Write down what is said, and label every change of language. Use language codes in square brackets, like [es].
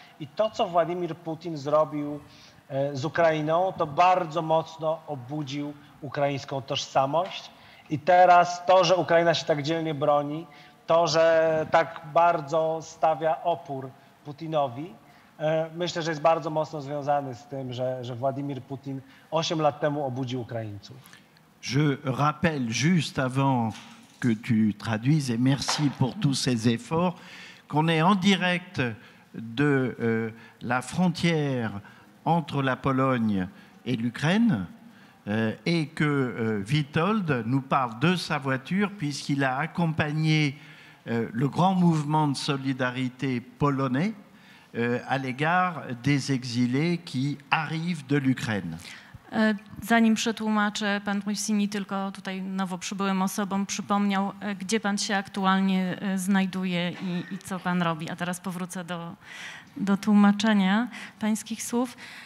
[pl] I to, co Władimir Putin zrobił z Ukrainą, to bardzo mocno obudził ukraińską tożsamość. I teraz to, że Ukraina się tak dzielnie broni, to, że tak bardzo stawia opór Putinowi, myślę, że jest bardzo mocno związany z tym, że Władimir Putin 8 lat temu obudził Ukraińców. [fr] Je rappelle juste avant que tu traduises, et merci pour tous ces efforts, qu'on est en direct de la frontière entre la Pologne et l'Ukraine, et que Witold nous parle de sa voiture, puisqu'il a accompagné le grand mouvement de solidarité polonais à l'égard des exilés qui arrivent de l'Ukraine. [pl] Zanim przetłumaczę, pan Rusini tylko tutaj nowo przybyłym osobom przypomniał, gdzie pan się aktualnie znajduje i co pan robi. A teraz powrócę do tłumaczenia pańskich słów.